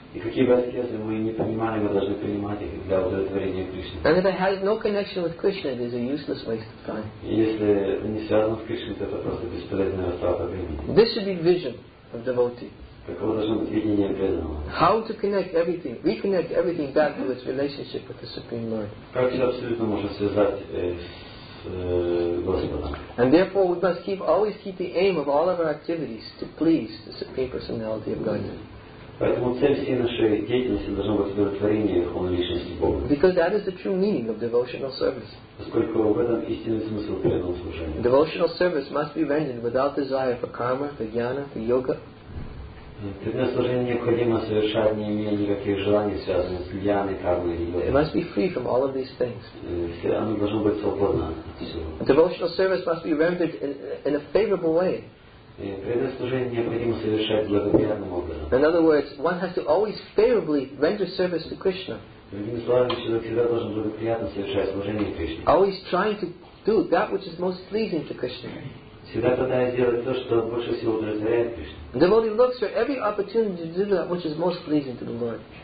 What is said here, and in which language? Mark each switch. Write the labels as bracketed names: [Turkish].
[Russian] И какие бы аскезы мы не принимали, мы должны принимать их для удовлетворения Кришны. [English] And if it has no connection with Krishna, it is a useless waste of time. [Russian] Если не связано с Кришной, то это просто бесполезная растрата времени. [English] This should be vision of devotee. [Russian] Каково должно быть видение преданного? [English] How to connect everything, reconnect everything back to its relationship with the Supreme Lord. [Russian] Как все абсолютно можно связать с Господом? [English] And therefore we must always keep the aim of all of our activities to please the Supreme Personality of Godhead. [Russian] Поэтому цель всей нашей деятельности должна быть удовлетворение Верховной Личности Бога. [English] Because that is the true meaning of devotional service. [Russian] Поскольку в этом истинный смысл преданного служения. [English] Devotional service must be rendered without desire for karma, for jnana, for yoga. [Russian] Преданное служение необходимо совершать, не имея никаких желаний, связанных с льяной, кармой и йогой. [English] It must be free from all of these things. [Russian] Оно должно быть свободно от всего. [English] Devotional service must be rendered in a favorable way. [Russian] Преданное служение необходимо совершать благоприятным образом. [English] In other words, one has to always favorably render service to Krishna. [Russian] Другими словами, человек всегда должен благоприятно совершать служение Кришне. [English] Always trying to do that which is most pleasing to Krishna. [Russian] Всегда пытаясь сделать то, что больше всего удовлетворяет Кришну. [English] Devotee looks for every opportunity to do that which is most pleasing to the Lord.